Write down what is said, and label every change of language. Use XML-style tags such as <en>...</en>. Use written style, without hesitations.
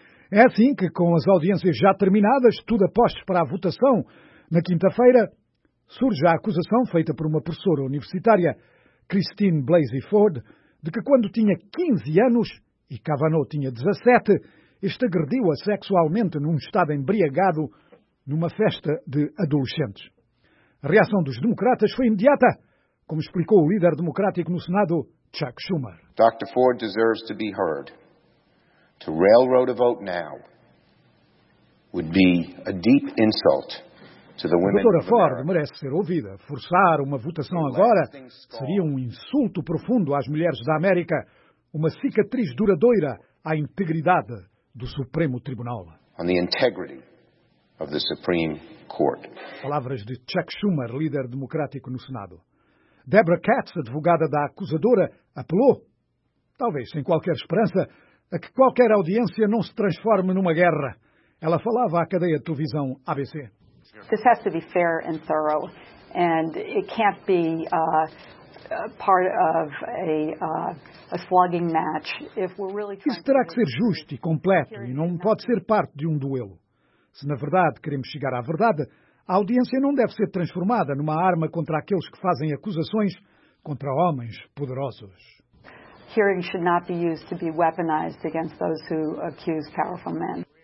<pt>É assim que, com as audiências já terminadas, tudo apostos para a votação, na quinta-feira, surge a acusação feita por uma professora universitária, Christine Blasey Ford, de que quando tinha 15 anos e Kavanaugh tinha 17, este agrediu-a sexualmente num estado embriagado numa festa de adolescentes. A reação dos democratas foi imediata, como explicou o líder democrático no Senado, Chuck Schumer.</pt> <en>Dr. Ford deserves to be heard. To railroad a vote now would be a deep insult.</en> <pt>Doutora Ford merece ser ouvida. Forçar uma votação agora seria um insulto profundo às mulheres da América, uma cicatriz duradoura à integridade do Supremo Tribunal.</pt> <en>On the integrity of the Supreme Court.</en> <pt>Palavras de Chuck Schumer, líder democrático no Senado. Deborah Katz, advogada da acusadora, apelou, talvez sem qualquer esperança, a que qualquer audiência não se transforme numa guerra. Ela falava à cadeia de televisão ABC.</pt> <en>This has to be fair and thorough, and it can't be part of a slugging match. If we're really trying,</en> <pt>isso terá que ser justo e completo, e não pode ser parte de um duelo. Se na verdade queremos chegar à verdade, a audiência não deve ser transformada numa arma contra aqueles que fazem acusações contra homens poderosos.</pt> <en>Hearing should not be used to be weaponized against those who accuse powerful men.</en>